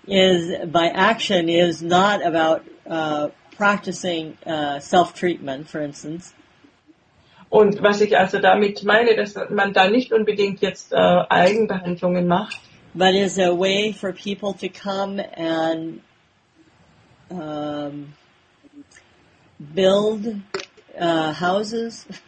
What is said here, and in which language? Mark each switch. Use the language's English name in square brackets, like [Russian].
[English] is by action is not about practicing self-treatment, for instance. [German] Und was ich also damit meine, dass man da nicht unbedingt jetzt Eigenbehandlungen macht. [English] But is a way for people to come and build houses.